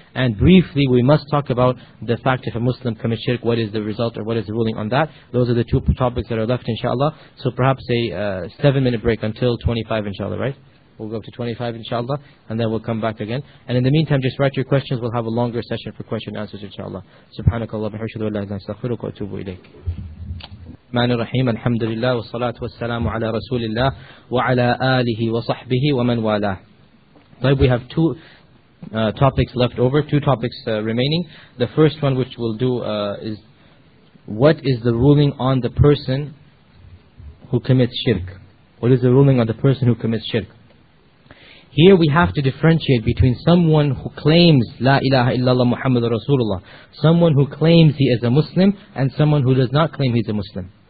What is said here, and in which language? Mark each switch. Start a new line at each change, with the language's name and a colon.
English: And briefly, we must talk about the fact if a Muslim commits shirk, what is the result or what is the ruling on that. Those are the two topics that are left, inshallah. So perhaps a 7-minute break until 25, inshallah, right? We'll go up to 25, inshallah, and then we'll come back again. And in the meantime, just write your questions. We'll have a longer session for question and answers, inshallah.
Arabic: Subhanakallah, bihamdika, wa astaghfiruka wa atubu ilayk. الرحمن الرحيم الحمد لله والصلاة والسلام على رسول الله وعلى آله وصحبه ومن والاه. طيب,
English: we have two topics left over, two topics remaining. The first one which we'll do is, what is the ruling on the person who commits shirk? What is the ruling on the person who commits shirk? Here we have to differentiate between someone who claims
Arabic: La ilaha illallah Muhammad Rasulullah,
English: someone who claims he is a Muslim, and someone who does not claim he is a Muslim.